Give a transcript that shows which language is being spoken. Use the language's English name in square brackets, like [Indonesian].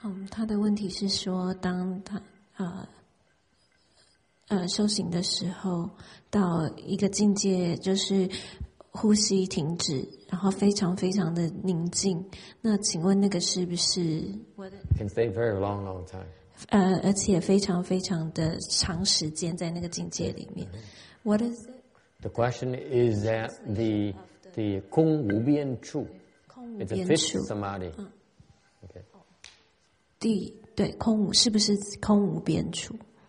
[Chinese] Ta 的问题是说，当他修行的时候，到一个境界，就是呼吸停止，然后非常非常的宁静。那请问那个是不是 [English] ？Can stay very long, long time. [Chinese] 而且非常非常的长时间在那个境界里面。 [English] What is? The question is that the Kung Wu Bian Chu, it's a fifth samadhi. Okay. [Chinese] 对，空无是不是空无边处